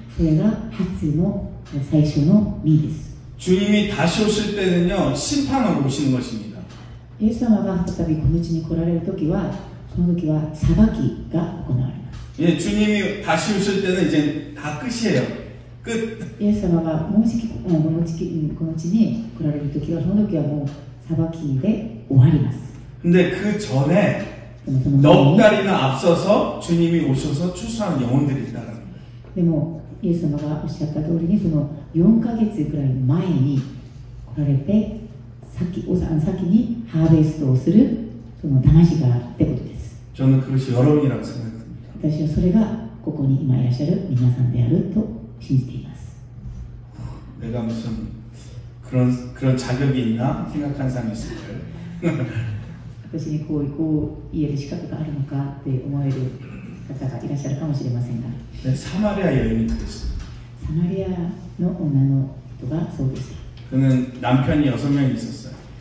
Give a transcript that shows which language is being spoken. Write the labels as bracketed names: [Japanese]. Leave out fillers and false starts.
[Japanese] それが初の最初の実です. [Korean] 주님이 다시 오실 때는요 심판으로 오시는 것입니다. [Japanese] 예수様が再びこの地に来られる時は、その時は裁きが行われます。 [Korean] 예, 주님이 다시 오실 때는 이제 다 끝이에요. 끝. [Japanese] 예수様がもうじきこの地に来られる時は、その時はもう裁きで終わります。 [Korean] 근데 그 전에 넉 달이나 앞서서 주님이 오셔서 추수하는 영혼들이 있다는. [Japanese] 데모 예수様がおっしゃった通りに、その4ヶ月くらい前に来られて。先に ハーベストをするその魂がってことです。 [Korean] 저는 그것이 여러분이라고 생각합니다. [Japanese] 私は それがここに今いらっしゃる皆さんであると信じています。 [Korean] 내가 무슨 그런 자격이 있나 생각한 사람이 있을까요? [Japanese] 私に こう言える資格があるのかって思える方がいらっしゃるかもしれませんが。 [Korean] 네, 사마리아 여인이 그랬어. [Japanese] 사마리아の女の人がそうでした。 [Korean] 그는 남편이 여섯 명이 있었어요.